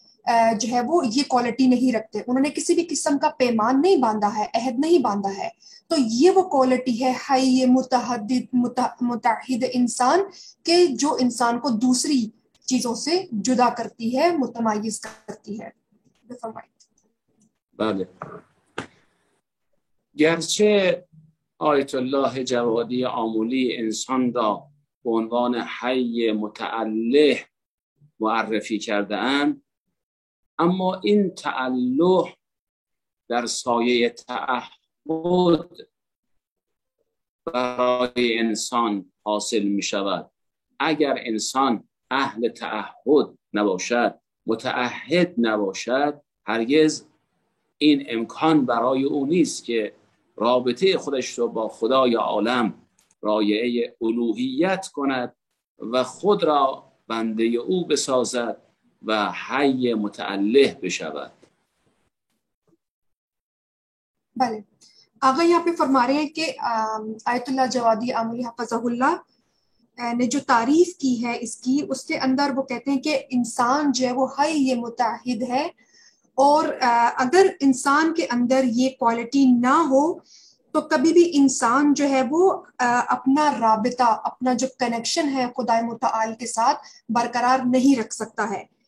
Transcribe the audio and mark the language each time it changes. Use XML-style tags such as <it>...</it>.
<ur>جو ہے وہ یہ کوالٹی نہیں رکھتے, انہوں نے کسی بھی قسم کا پیمان نہیں باندھا ہے, عہد نہیں باندھا ہے. تو یہ وہ کوالٹی ہے حی متحدد متحد انسان کے, جو انسان کو دوسری چیزوں سے جدا کرتی ہے, متمایز کرتی ہے.</ur> <fa>بله. گرچه آیت الله جوادی آمولی انسان را به عنوان حی متعله معرفی کرده اند, اما این تعلق در سایه تعهد برای انسان حاصل می شود. اگر انسان اهل تعهد نباشد, متعهد نباشد, هرگز این امکان برای او نیست که رابطه خودش رو با خدای عالم رایعه الوهیت کند و خود را بنده او بسازد و حی متعله بشود. بله.</fa> <ur>آقا یہاں پہ فرما رہے ہیں کہ آیت اللہ جوادی عاملی حفظہ اللہ نے جو تعریف کی ہے اس کی, اس کے اندر وہ کہتے ہیں کہ انسان جو ہے وہ حی متعہد ہے, اور اگر انسان کے اندر یہ کوالٹی نہ ہو تو کبھی بھی انسان جو ہے وہ اپنا رابطہ, اپنا جو کنیکشن ہے خدائے متعال کے ساتھ برقرار نہیں رکھ سکتا ہے.</ur>